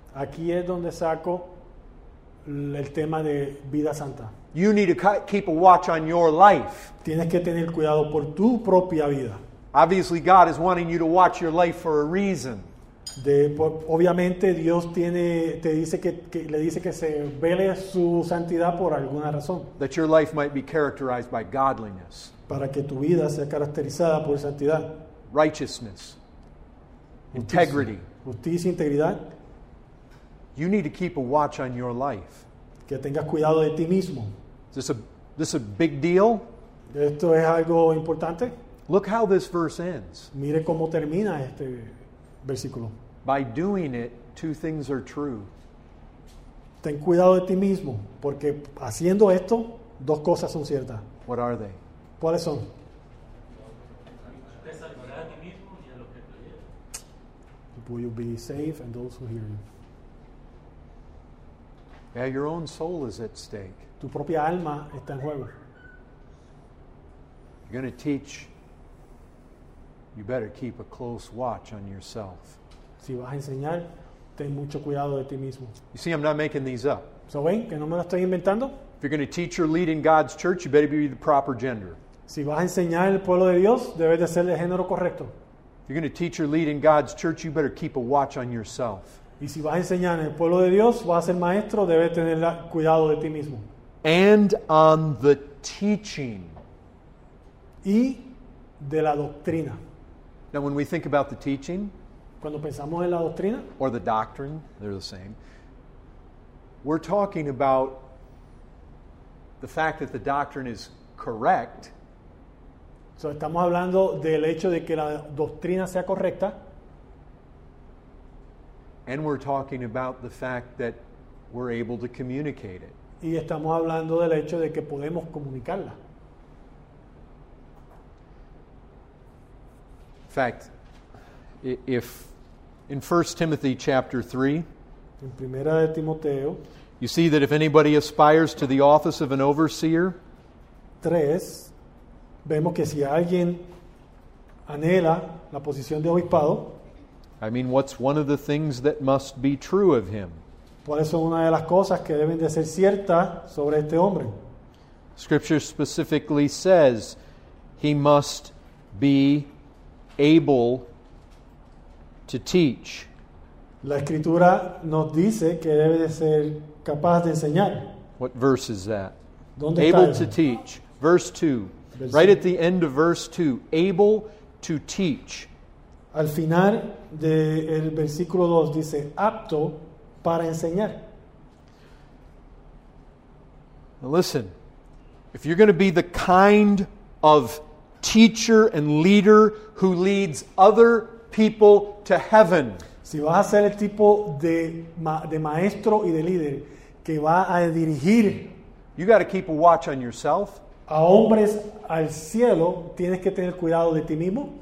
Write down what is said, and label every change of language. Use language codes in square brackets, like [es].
[es] Aquí es donde saco el tema de vida santa. [en] You need to keep a watch on your life. [es] Tienes que tener cuidado por tu propia vida. [en] Obviously, God is wanting you to watch your life for a reason. [es] Obviamente, Dios tiene, te dice que le dice que se vele su santidad por alguna razón. [en] That your life might be characterized by godliness. [es] Para que tu vida sea caracterizada por santidad. [en] Righteousness. Integrity. [es] Justicia, integridad. [en] You need to keep a watch on your life. [es] Que tengas cuidado de ti mismo. [en] Is this a big deal? [es] ¿Esto es algo importante? [en] Look how this verse ends. [es] Mire cómo termina este versículo. [en] By doing it, two things are true. [es] Ten cuidado de ti mismo, porque haciendo esto, dos cosas son ciertas. [en] What are they? [es] ¿Cuáles son? Te salvarás a ti mismo y a los que te oyen. [en] You will be safe and those who hear you. Yeah, your own soul is at stake. [es] Tu propia alma está en juego. [en] You're going to teach. You better keep a close watch on yourself. [es] Si vas a enseñar, ten mucho cuidado de ti mismo. [en] You see, I'm not making these up. [es] So, ¿ven? Que no me lo estoy inventando. [en] If you're going to teach or lead in God's church, you better be the proper gender. [es] Si vas a enseñar en el pueblo de Dios, debes de ser de género correcto. [en] If you're going to teach or lead in God's church, you better keep a watch on yourself. [es] Y si vas a enseñar en el pueblo de Dios, vas a ser maestro, debes tener cuidado de ti mismo. [en] And on the teaching. [es] Y de la doctrina. [en] Now, when we think about the teaching, [es] cuando pensamos en la doctrina, [en] or the doctrine, they're the same, we're talking about the fact that the doctrine is correct. [es] So, estamos hablando del hecho de que la doctrina sea correcta. [en] And we're talking about the fact that we're able to communicate it. [es] Y estamos hablando del hecho de que podemos comunicarla. [en] In fact, if in 1 Timothy chapter 3, [es] en Primera de Timoteo, [en] you see that if anybody aspires to the office of an overseer, [es] 3, vemos que si alguien anhela la posición de obispado, [en] I mean, what's one of the things that must be true of him? [es] ¿Cuáles son una de las cosas que deben de ser ciertas sobre este hombre? [en] Scripture specifically says he must be able to teach. [es] La escritura nos dice que debe de ser capaz de enseñar. [en] What verse is that? [es] ¿Dónde [en] able [es] está [en] to él? Teach. Verse 2. Verse right 2. At the end of verse 2. Able to teach. [es] Al final del versículo 2 dice apto para enseñar. [en] Now listen. If you're going to be the kind of teacher and leader who leads other people to heaven. [es] Si vas a ser el tipo de maestro y de líder que va a dirigir, [en] you got to keep a watch on yourself. [es] A hombres al cielo, tienes que tener cuidado de ti mismo.